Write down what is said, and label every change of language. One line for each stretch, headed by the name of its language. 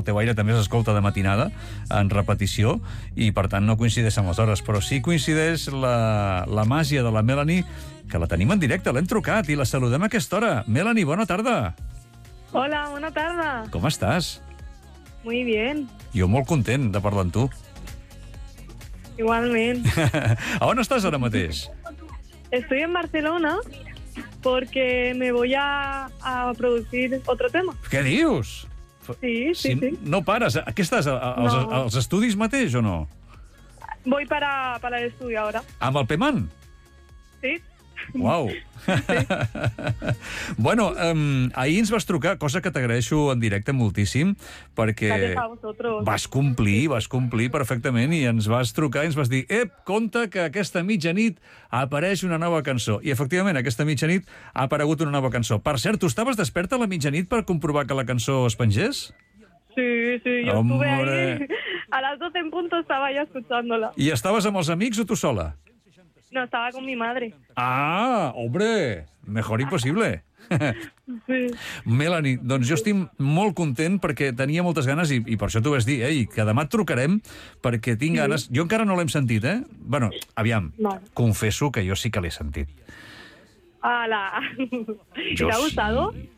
Catalan: El teu aire també s'escolta de matinada, en repetició, i per tant no coincideix amb les hores, però sí coincideix la màgia de la Melanie, que la tenim en directe, l'hem trucat i la saludem a aquesta hora. Melanie, bona tarda. Hola, bona tarda. Com estàs?
Spanish: Muy bien.
Catalan: Jo molt content de parlar amb tu. Igualment. A on estàs ara mateix?
Spanish: Estoy en Barcelona porque me voy a producir otro tema.
Catalan: Què dius? Sí. No pares. Què estàs, als estudis mateix o no?
Spanish: Voy para el estudio ahora.
Catalan: Amb el Peman? Sí. Uau! Sí. Bueno, ahir ens vas trucar, cosa que t'agraeixo en directe moltíssim, perquè vas complir perfectament, i ens vas trucar i ens vas dir: ep, compte que aquesta mitjanit apareix una nova cançó. I efectivament, aquesta mitjanit ha aparegut una nova cançó. Per cert, tu estaves desperta a la mitjanit per comprovar que la cançó es pengés?
Spanish: Sí, jo estuve ahí.
Catalan: A les
Spanish: 12 en punto estaba ya escuchándola.
Catalan: I estaves amb els amics o tu sola?
Spanish: No, estaba con mi madre. Ah, hombre, mejor imposible. Sí.
Catalan: Melanie, doncs jo estic molt content perquè tenia moltes ganes, i per això t'ho vaig dir, ei, que demà et trucarem perquè tinc ganes. Jo encara no l'hem sentit, eh? Bueno, aviam, confesso que jo sí que l'he sentit.
Spanish: Hola. ¿Te ha gustado?